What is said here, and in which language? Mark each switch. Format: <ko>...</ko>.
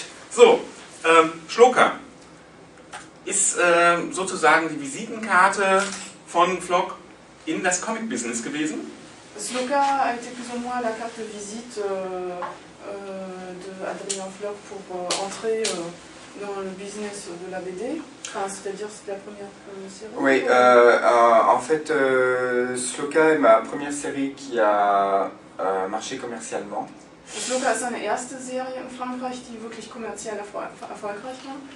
<de>So, Schlucker ist sozusagen die Visitenkarte von Flock in das Comic-Business gewesen.</de> <fr>Schlucker a été plus ou moins la carte de visite de Adrien Flock pour entrer dans le business de la BD. Enfin, c'est-à-dire c'est la première série. Oui, en fait, Schlucker est ma première série qui a marché commercialement.</fr> <de>Schlucker ist seine erste Serie in Frankreich, die wirklich kommerziell erfolgreich war.</de>